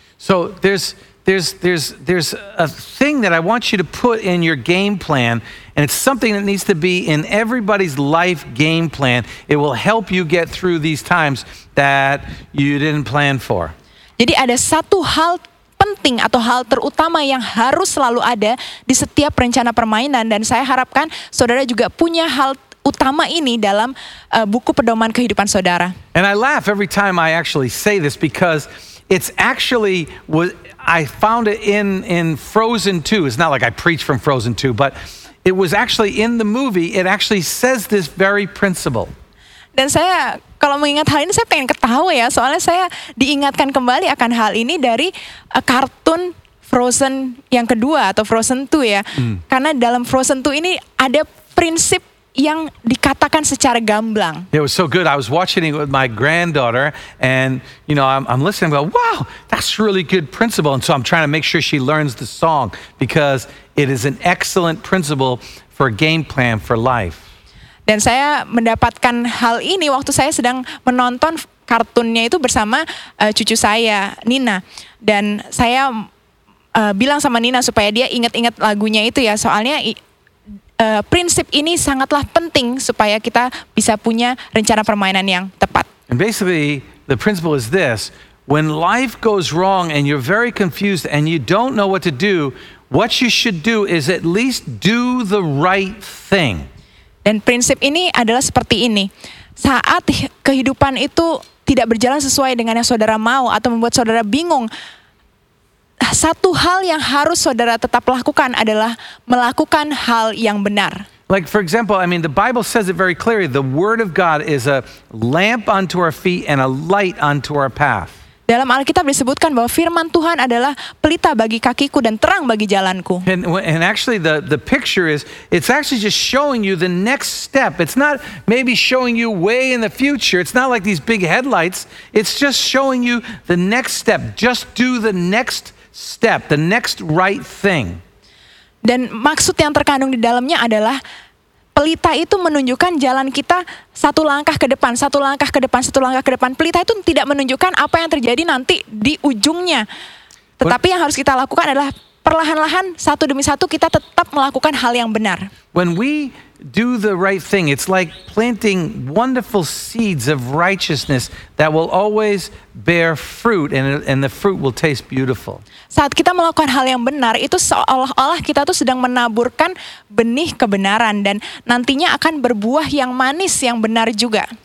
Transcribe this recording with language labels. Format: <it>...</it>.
<en>So there's a thing that I want you to put in your game plan, and it's something that needs to be in everybody's life game plan. It will help you get through these times that you didn't plan for.</en> <id>Jadi ada satu hal penting atau hal terutama yang harus selalu ada di setiap rencana permainan, dan saya harapkan saudara juga punya hal utama ini dalam buku pedoman kehidupan saudara.</id> <en>And I laugh every time I actually say this because it's actually what I found it in Frozen 2. It's not like I preach from Frozen 2, but it was actually in the movie. It actually says this very principle.</en> <id>Dan saya kalau mengingat hal ini saya pengen ketawa ya, soalnya saya diingatkan kembali akan hal ini dari kartun Frozen yang kedua atau Frozen 2 ya. Karena dalam Frozen 2 ini ada prinsip yang dikatakan secara gamblang.</id> <en>It was so good. I was watching it with my granddaughter and you know I'm listening and go, "Wow, that's really good principle." And so I'm trying to make sure she learns the song because it is an excellent principle for a game plan for life.</en> <id>Dan saya mendapatkan hal ini waktu saya sedang menonton kartunnya itu bersama cucu saya, Nina. Dan saya bilang sama Nina supaya dia ingat-ingat lagunya itu ya. Soalnya prinsip ini sangatlah penting supaya kita bisa punya rencana permainan yang tepat.</id> <en>And basically, the principle is this. When life goes wrong and you're very confused and you don't know what to do, what you should do is at least do the right thing.</en> <id>Dan prinsip ini adalah seperti ini. Saat kehidupan itu tidak berjalan sesuai dengan yang saudara mau atau membuat saudara bingung, satu hal yang harus saudara tetap lakukan adalah melakukan hal yang benar.</id> <en>Like for example, I mean the Bible says it very clearly, the word of God is a lamp unto our feet and a light unto our path.</en> <id>Dalam Alkitab disebutkan bahwa firman Tuhan adalah pelita bagi kakiku dan terang bagi jalanku.</id> <en>And actually the picture is, it's actually just showing you the next step. It's not maybe showing you way in the future. It's not like these big headlights. It's just showing you the next step. Just do the next step, the next right thing.</en> <id>Dan maksud yang terkandung di dalamnya adalah pelita itu menunjukkan jalan kita satu langkah ke depan, satu langkah ke depan, satu langkah ke depan. Pelita itu tidak menunjukkan apa yang terjadi nanti di ujungnya. Tetapi yang harus kita lakukan adalah perlahan-lahan, satu demi satu, kita tetap melakukan hal yang benar.</id> <en>When we do the right thing. It's like planting wonderful seeds of righteousness that will always bear fruit, and the fruit will taste beautiful.</en> <id>Saat kita melakukan hal yang benar, itu seolah-olah kita tuh sedang menaburkan benih kebenaran, dan nantinya akan berbuah yang manis, yang benar juga.</id>